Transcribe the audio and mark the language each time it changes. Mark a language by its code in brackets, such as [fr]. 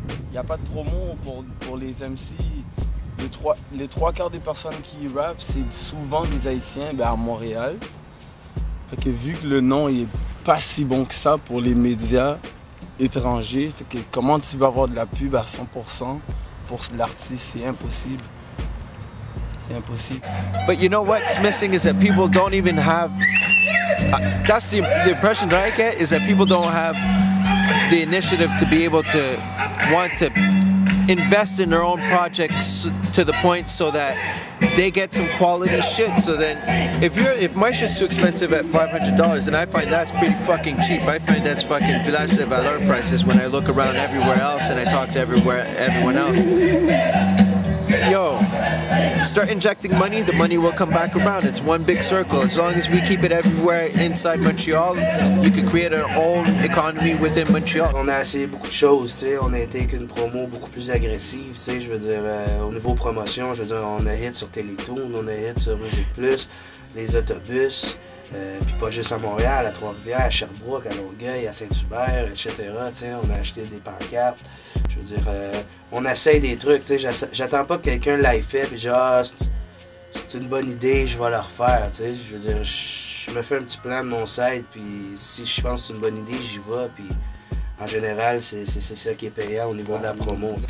[fr] Il n'y a pas de promo pour les MC. Les trois quarts des personnes qui rappent, c'est souvent des Haïtiens, ben à Montréal. Fait que vu que le nom n'est pas si bon que ça pour les médias étrangers, fait que comment tu vas avoir de la pub à 100% pour l'artiste, c'est impossible. C'est impossible. [en] But you know what's missing is that people don't even have... That's the impression that I get, is that people don't have the initiative to be able to want to invest in their own projects to the point so that they get some quality shit. So then if my shit's too expensive at $500, and I find that's pretty fucking cheap, I find that's fucking Village de Valeur prices when I look around everywhere else and I talk to everyone else. Yo, start injecting money, the money will come back around. It's one big circle. As long as we keep it everywhere inside Montreal, you can create our own economy within Montreal. [fr] On a essayé beaucoup de choses, tu sais. On a été avec une promo beaucoup plus agressive, tu sais. Je veux dire, au niveau promotion, je veux dire, on a hit sur Télétoon, on a hit sur Musique Plus, les autobus, puis pas juste à Montréal, à Trois-Rivières, à Sherbrooke, à Longueuil, à Saint-Hubert, etc. Tu sais, on a acheté des pancartes. Je veux dire, on essaye des trucs, tu sais, j'attends pas que quelqu'un l'aille fait, pis genre, c'est une bonne idée, je vais la refaire, tu sais, je veux dire, je me fais un petit plan de mon site, puis si je pense que c'est une bonne idée, j'y vais, puis en général, c'est ça qui est payant au niveau de la promo.